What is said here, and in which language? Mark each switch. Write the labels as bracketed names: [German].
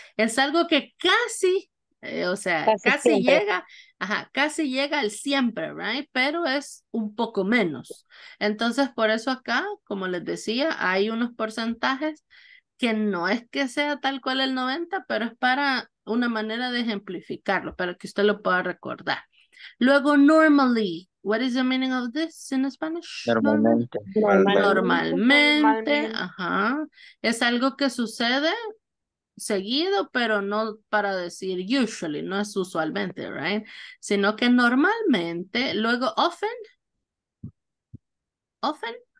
[Spanish] Es algo que casi, o sea, casi llega, ajá, casi llega al siempre, right? Pero es un poco menos. Entonces, por eso acá, como les decía, hay unos porcentajes que no es que sea tal cual el 90, pero es para una manera de ejemplificarlo, para que usted lo pueda recordar. [English] Luego, normally, what is the meaning of this in Spanish? [Spanish] Normalmente. Ajá. Es algo que sucede seguido, pero no para decir usually, no es usualmente, right? Sino que normalmente, luego often. Often.